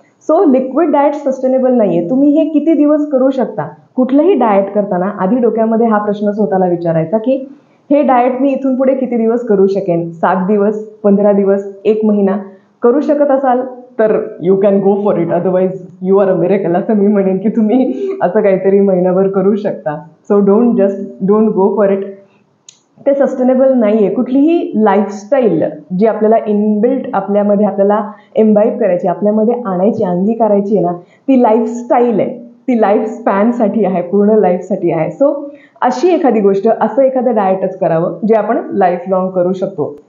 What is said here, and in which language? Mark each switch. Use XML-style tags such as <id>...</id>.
<mr>So liquid diet sustainable नाही आहे. तुम्ही हे किती दिवस करू शकता, कुठलंही डाएट करताना आधी डोक्यामध्ये हा प्रश्न स्वतःला विचारायचा की हे डाएट मी इथून पुढे किती दिवस करू शकेन, 7 दिवस, 15 दिवस, 1 महिना करू शकत असाल तर</mr> <en>you can go for it, otherwise you are a miracle,</en> <mr>असं मी म्हणेन की तुम्ही असं काहीतरी महिनाभर करू शकता.</mr> <en>So don't just don't go for it.</en> <mr>ते सस्टेनेबल नाही आहे. कुठलीही लाईफस्टाईल जी आपल्याला इनबिल्ट आपल्यामध्ये आपल्याला एम्बाईब करायची, आपल्यामध्ये आणायची, अंगीकारायची आहे ना, ती लाईफस्टाईल आहे, ती लाईफ स्पॅनसाठी आहे, पूर्ण लाईफसाठी आहे. सो अशी एखादी गोष्ट, असं एखादं डाएटच करावं जे आपण लाईफ लॉंग करू शकतो.</mr>